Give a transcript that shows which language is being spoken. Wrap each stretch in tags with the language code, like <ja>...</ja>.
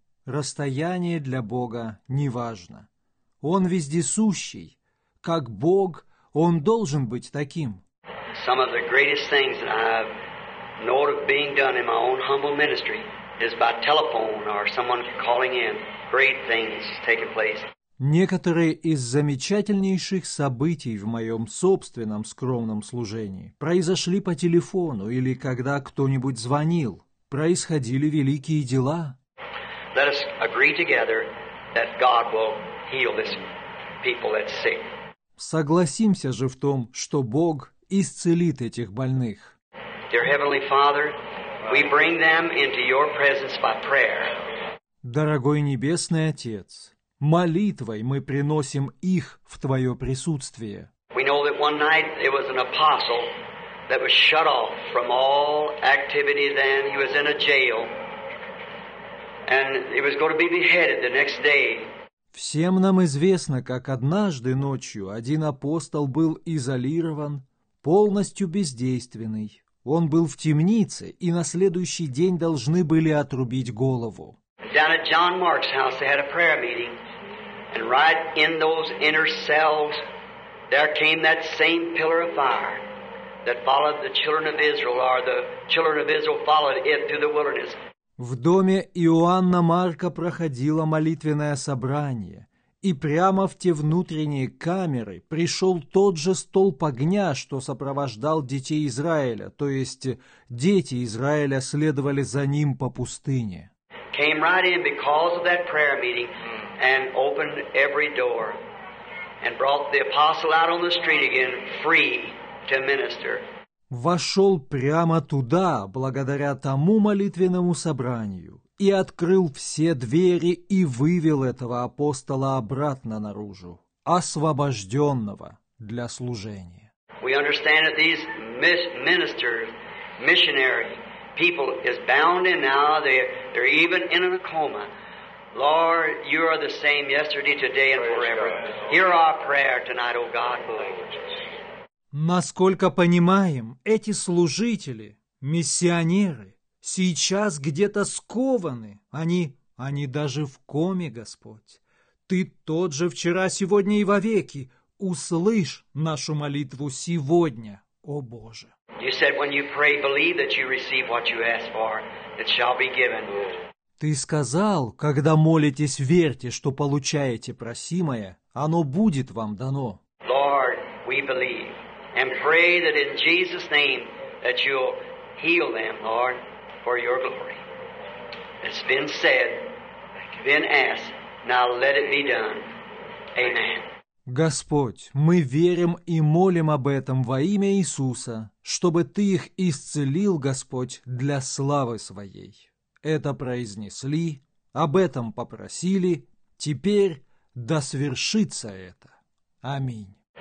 <ru>Расстояние для Бога не важно. Он вездесущий. Как Бог, Он должен быть таким.</ru> <en>Some of the greatest things that I've known of being done in my own humble ministry is by telephone or someone calling in. Great things taking place.</en> <ru>Некоторые из замечательнейших событий в моем собственном скромном служении произошли по телефону или когда кто-нибудь звонил. Происходили великие дела.</ru> <en>Let us agree together that God will heal this people that's sick.</en> <ru>Согласимся же в том, что Бог исцелит этих больных.</ru> <en>Dear Heavenly Father, we bring them into your presence by prayer.</en> <ru>Дорогой Небесный Отец, молитвой мы приносим их в Твое присутствие.</ru> <en>We know that one night it was an apostle that was shut off from all activity then. He was in a jail. And he was going to be beheaded the next day.</en> <ru>Всем нам известно, как однажды ночью один апостол был изолирован, полностью бездейственный. Он был в темнице, и на следующий день должны были отрубить голову.</ru> <en>Down at John Mark's house they had a prayer meeting, and right in those inner cells there came that same pillar of fire that followed the children of Israel, or the children of Israel followed it through the wilderness.</en> <ru>В доме Иоанна Марка проходило молитвенное собрание, и прямо в те внутренние камеры пришел тот же столб огня, что сопровождал детей Израиля, то есть дети Израиля следовали за ним по пустыне.</ru> <en>Came right in because of that prayer meeting and opened every door and brought the apostle out on the street again free to minister.</en> <ru>Вошел прямо туда, благодаря тому молитвенному собранию, и открыл все двери и вывел этого апостола обратно наружу, освобожденного для служения.</ru> <en>We understand that these ministers, missionary people is bound in now, they're even in a coma. Lord, you are the same yesterday, today and forever. Hear our prayer tonight, O God, believe.</en> <ru>Насколько понимаем, эти служители, миссионеры, сейчас где-то скованы. Они даже в коме, Господь. Ты тот же вчера, сегодня и вовеки. Услышь нашу молитву сегодня, о Боже.</ru> <en>You said when you pray, believe that you receive what you ask for, it shall be given.</en> <ru>Ты сказал, когда молитесь, верьте, что получаете просимое, оно будет вам дано.</ru> <en>Lord, we believe. And pray that in Jesus' name that you'll heal them, Lord, for your glory. It's been said, been asked, now let it be done. Amen.</en> <ru>Господь, мы верим и молим об этом во имя Иисуса, чтобы Ты их исцелил, Господь, для славы Своей. Это произнесли, об этом попросили, теперь да свершится это. Аминь.</ru>